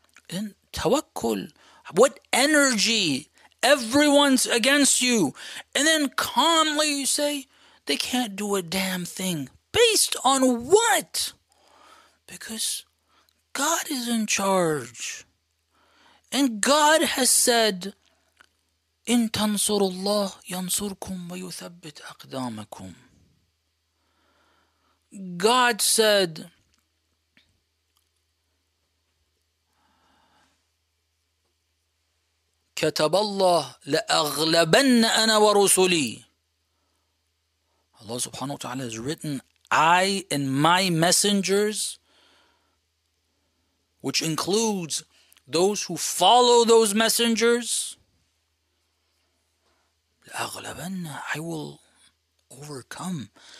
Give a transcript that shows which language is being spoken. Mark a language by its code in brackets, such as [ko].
[en] And tawakkul, what energy, everyone's against you. And then calmly you say, they can't do a damn thing. Based on what? Because God is in charge. And God has said, [ar] إِن تَنْصُرُ اللَّهِ يَنْصُرْكُمْ وَيُثَبِّتْ أَقْدَامَكُمْ. [en] God said, [ar] كَتَبَ اللَّهِ لَأَغْلَبَنَّ أَنَا وَرُسُلِي. [en] Allah subhanahu wa ta'ala has written, I and my messengers, which includes those who follow those messengers, I will overcome.